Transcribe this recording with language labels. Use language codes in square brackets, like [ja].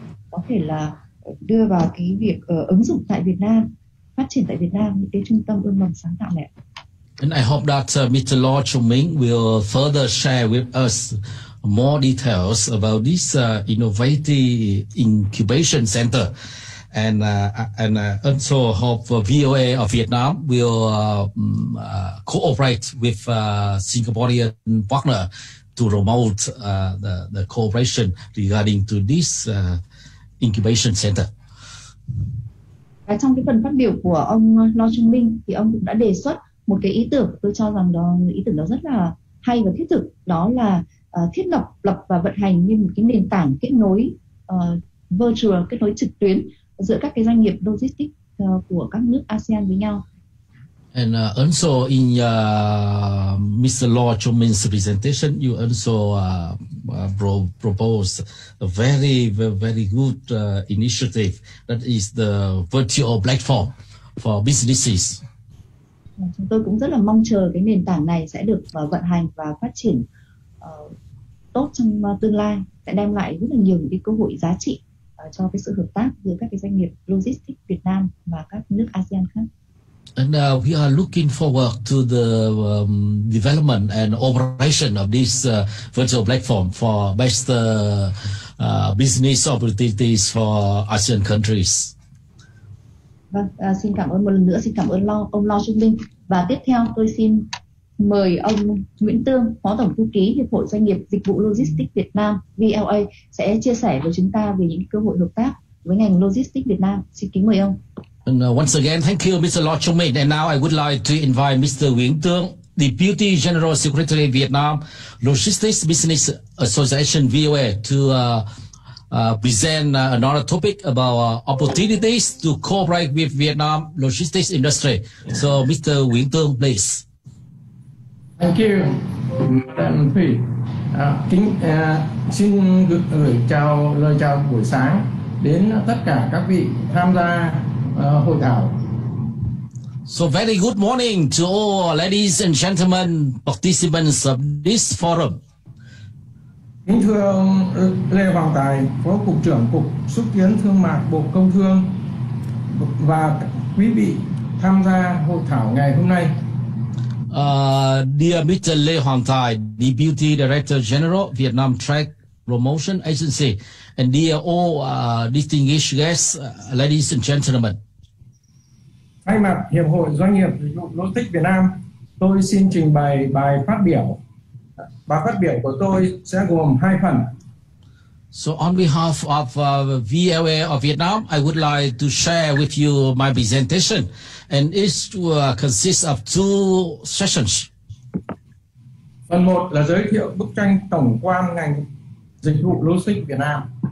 [vi] có thể là đưa vào cái việc ứng dụng tại Việt Nam, phát triển tại Việt Nam những cái trung tâm ươm mầm sáng tạo này. [en] And I hope that Mr. Lau Chung-ming will further share with us more details about this innovative incubation center. And also hope VOA of Vietnam will cooperate with Singaporean partner to promote the cooperation regarding to this incubation center. [vi] Và trong cái phần phát biểu của ông Lau Chung-ming thì ông cũng đã đề xuất một cái ý tưởng, tôi cho rằng đó ý tưởng đó rất là hay và thiết thực, đó là thiết lập và vận hành như một cái nền tảng kết nối virtual, kết nối trực tuyến giữa các cái doanh nghiệp logistics của các nước ASEAN với nhau. [en] And also in Mr. Lau Chung-ming's presentation, you also propose a very, very good initiative that is the virtual platform for businesses. [vi] Chúng tôi cũng rất là mong chờ cái nền tảng này sẽ được vận hành và phát triển tốt trong tương lai, sẽ đem lại rất là nhiều những cái cơ hội giá trị cho cái sự hợp tác giữa các cái doanh nghiệp logistics Việt Nam và các nước ASEAN khác. [en] And we are looking forward to the development and operation of this virtual platform for best business opportunities for ASEAN countries. [vi] Vâng, xin cảm ơn một lần nữa, xin cảm ơn ông Lau Chung-ming. Và tiếp theo tôi xin mời ông Nguyễn Tương, Phó Tổng Thư ký Hiệp hội Doanh nghiệp Dịch vụ Logistics Việt Nam, VLA, sẽ chia sẻ với chúng ta về những cơ hội hợp tác với ngành logistics Việt Nam. Xin kính mời ông. [en] And once again, thank you, Mr. Lau Chung-ming. And now I would like to invite Mr. Nguyễn Tương, Deputy General Secretary Vietnam Logistics Business Association, VOA, to present another topic about opportunities to cooperate with Vietnam logistics industry. So, Mr. Nguyễn Tương, please. Thank you, Madam Phi. [vi] Xin gửi chào lời chào buổi sáng đến tất cả các vị tham gia hội thảo. [en] So very good morning to all ladies and gentlemen participants of this forum. [vi] Kính thưa ông Lê Hoàng Tài, Phó Cục trưởng Cục Xúc tiến Thương mại Bộ Công Thương và quý vị tham gia hội thảo ngày hôm nay. [en] Dear Mr. Lê Hoàng Tài, Deputy Director General, Vietnam Trade Promotion Agency, and dear all distinguished guests, ladies and gentlemen. [vi] Thay mặt Hiệp hội Doanh nghiệp Dịch vụ Logistics Việt Nam, tôi xin trình bày bài phát biểu. Bài phát biểu của tôi sẽ gồm hai phần. [en] So on behalf of VLA of Vietnam, I would like to share with you my presentation, and it consists of two sessions. [vi] Phần một là giới thiệu bức tranh tổng quan ngành dịch vụ logistics Việt Nam.